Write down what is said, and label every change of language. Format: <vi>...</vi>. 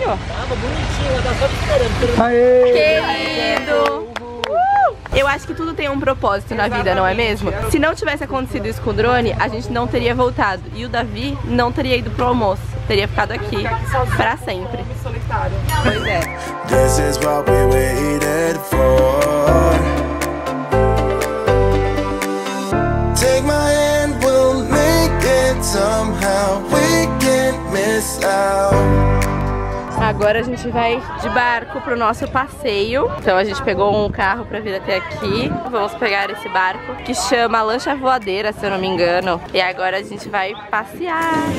<pt>Tava bonitinho, eu tava só esperando. Aê! Querido! Eu acho que tudo tem um propósito na vida, não é mesmo? Se não tivesse acontecido isso com o drone, a gente não teria voltado. E o Davi não teria ido pro almoço. Teria ficado aqui pra sempre. Pois é.</pt> <en>This is what we waited for. Take my hand, we'll make it somehow. We can't miss out.</en> <pt>Agora a gente vai de barco pro nosso passeio. Então a gente pegou um carro pra vir até aqui. Vamos pegar esse barco que chama Lancha Voadeira, se eu não me engano. E agora a gente vai passear.</pt>